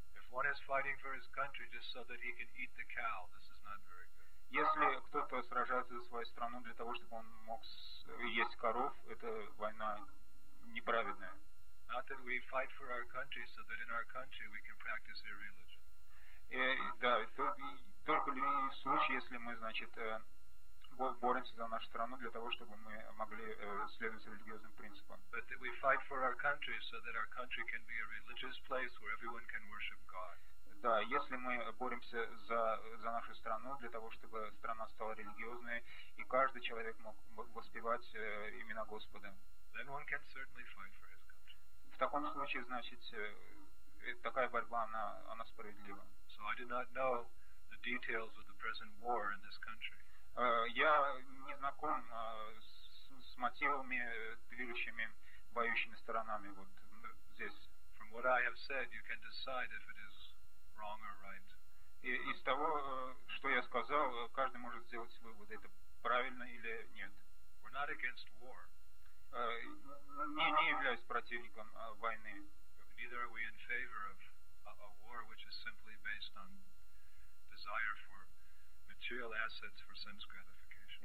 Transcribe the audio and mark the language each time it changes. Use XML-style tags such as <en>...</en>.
<en>If one is fighting for his country just so that he can eat the cow, this is not very good.</en> <ru>Если кто-то сражается за свою страну для того, чтобы он мог есть коров, это война неправедная.</ru> <en>Not that we fight for our country so that in our country we can practice your religion.</en> <ru>Да, только в случае, если мы, значит, боремся за нашу страну для того, чтобы мы могли следовать религиозным принципам.</ru> <en>But that we fight for our country so that our country can be a religious place where everyone can worship God.</en> <ru>Да, если мы боремся за нашу страну, для того, чтобы страна стала религиозной, и каждый человек мог воспевать имена Господа.</ru> <en>Then one can certainly fight for his country.</en> <ru>В таком случае, значит, такая борьба, она справедлива.</ru> <en>So I did not know the details of the present war in this country.</en> <ru>Я не знаком с мотивами, движущими, воюющими сторонами вот здесь.</ru> <en>From what I have said, you can decide if it is wrong or right.</en> <ru>Из того, что я сказал, каждый может сделать вывод, это правильно или нет.</ru> <en>We're not against war.</en> <ru>Не являюсь противником войны.</ru> <en>Neither are we in favor of a war which is simply based on desire for material assets for sense gratification.</en>